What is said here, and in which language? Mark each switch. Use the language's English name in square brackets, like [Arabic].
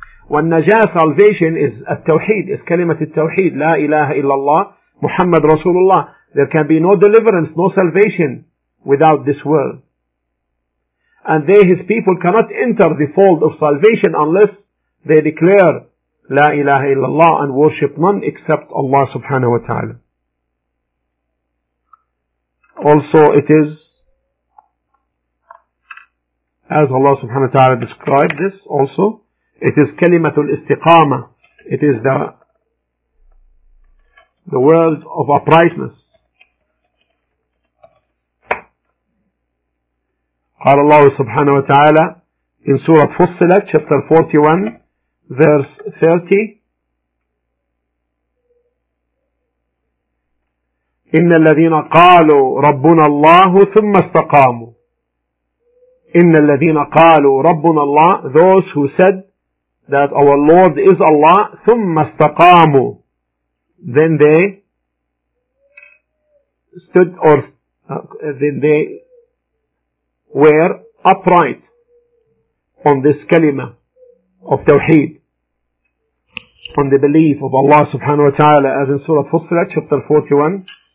[Arabic] وَالنَّجَاةَ, salvation, is التوحيد, is كلمة التوحيد, لا إله إلا الله, محمد رسول الله. [English] There can be no deliverance, no salvation without this word. And they, his people, cannot enter the fold of salvation unless they declare [Arabic] لا إله إلا الله [English] and worship none except Allah subhanahu wa ta'ala. Also it is, as Allah subhanahu wa ta'ala described this also, it is kalimatul istiqama. It is the the world of uprightness. [Arabic] قال الله سبحانه وتعالى [English] in Surah Fussilat, chapter 41, verse 30. [Arabic] إن الذين قالوا ربنا الله ثم استقاموا. إن الذين قالوا ربنا الله, [English] those who said that our Lord is Allah, [Arabic] ثم استقاموا, [English] then they stood or then they were upright on this kalima of tawheed, on the belief of Allah subhanahu wa ta'ala, as in Surah Fussilat, chapter 41.